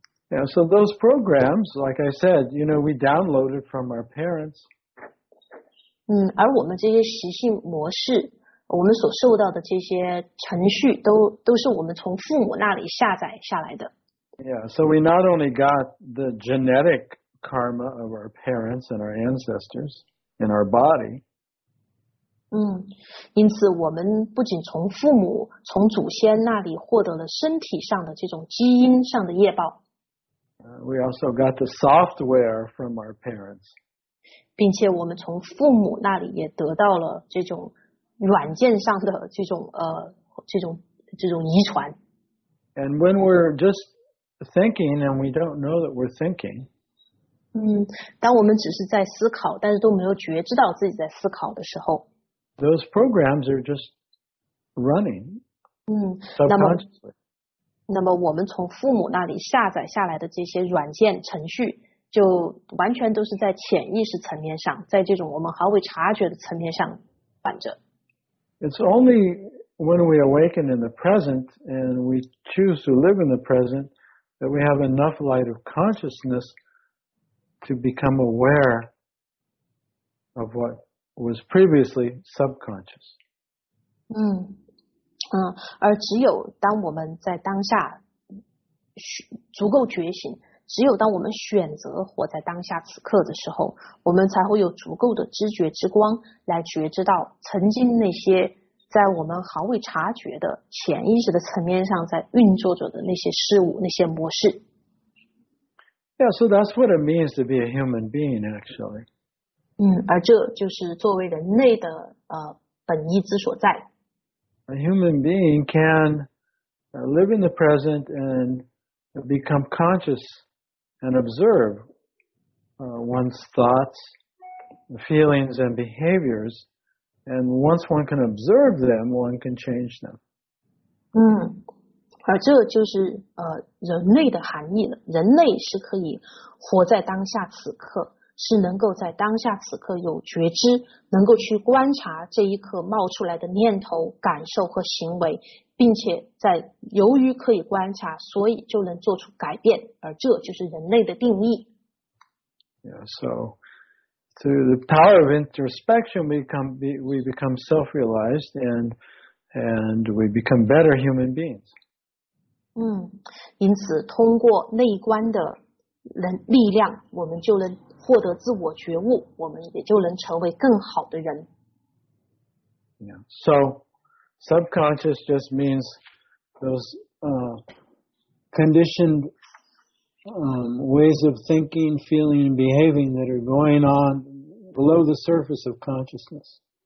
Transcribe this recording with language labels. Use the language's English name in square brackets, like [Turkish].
[English] Yeah, so those programs, like I said, you know, we downloaded from our parents. [Chinese] 而我们这些习性模式，我们所受到的这些程序都是我们从父母那里下载下来的。 [English] Yeah, so we not only got the genetic karma of our parents and our ancestors in our body. [Chinese] 因此我们不仅从父母、从祖先那里获得了身体上的这种基因上的业报。 [English] We also got the software from our parents. [Chinese] 并且我们从父母那里也得到了这种软件上的这种遗传。 [English] And when we're just thinking and we don't know that we're thinking, [Chinese] 当我们只是在思考，但是都没有觉知到自己在思考的时候， [English] those programs are just running. Subconsciously. [Chinese] 那么我们从父母那里下载下来的这些软件程序就完全都是在潜意识层面上，在这种我们毫无察觉的层面上反着。 [English] It's only when we awaken in the present and we choose to live in the present that we have enough light of consciousness to become aware of what was previously subconscious. [Chinese] 而只有当我们在当下足够觉醒，只有当我们选择活在当下此刻的时候，我们才会有足够的知觉之光来觉知到曾经那些在我们毫未察觉的潜意识的层面上在运作着的那些事物、那些模式。 [English] Yeah, so that's what it means to be a human being, actually. [Chinese] 而这就是作为人类的本意之所在。 [English] A human being can live in the present and become conscious and observe one's thoughts, feelings, and behaviors. And once one can observe them, one can change them. [Chinese] 而这就是人类的含义了。人类是可以活在当下此刻，是能够在当下此刻有觉知，能够去观察这一刻冒出来的念头、感受和行为，并且在由于可以观察，所以就能做出改变，而这就是人类的定义。 [English] Yeah, so through the power of introspection, we become self-realized and and we become better human beings. [Chinese] 因此通过内观的力量，我们就能获得自我觉悟，我们也就能成为更好的人。 [English] Yeah. So, subconscious just means those conditioned ways of thinking, feeling, and behaving that are going on below the surface of consciousness.